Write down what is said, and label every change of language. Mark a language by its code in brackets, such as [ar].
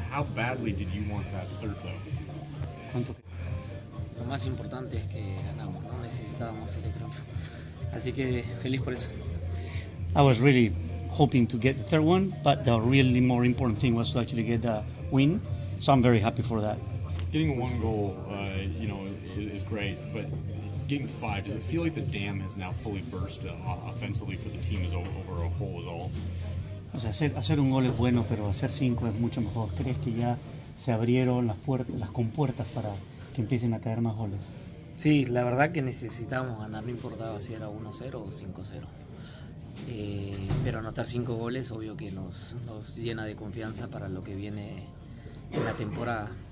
[en] How badly did you want that third though? [es] ¿Cuánto? Lo más importante es que ganamos, no necesitábamos este triunfo. Así que feliz por eso. [en] I was really hoping to get the third one, but the really more important thing was to actually get the win. So I'm very happy for that. Getting one goal, you know, is great, but getting five, does it feel like the dam has now fully burst offensively for the team as over a whole as all? [es] O sea, hacer un gol es bueno, pero hacer cinco es mucho mejor. ¿Crees que ya se abrieron las compuertas para que empiecen a caer más goles? Sí, la verdad que necesitábamos ganar, no importaba si era 1-0 o 5-0. Pero anotar 5 goles, obvio que nos llena de confianza para lo que viene en la temporada.